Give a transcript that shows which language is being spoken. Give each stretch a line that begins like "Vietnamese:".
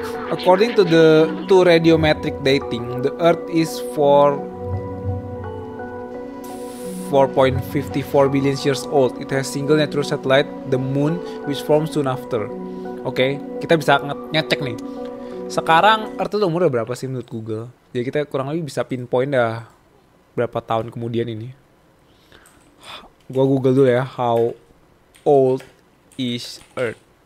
English: According to the two radiometric dating, the Earth is 4.54 billion years old. It has single natural satellite, the moon, which forms soon after.
Indonesian: Okay, kita bisa ngecek nih. Sekarang Earth itu umurnya berapa sih menurut Google? Jadi kita kurang lebih bisa pinpoint dah berapa tahun kemudian ini.
English: Gua Google dulu ya, how old is Earth?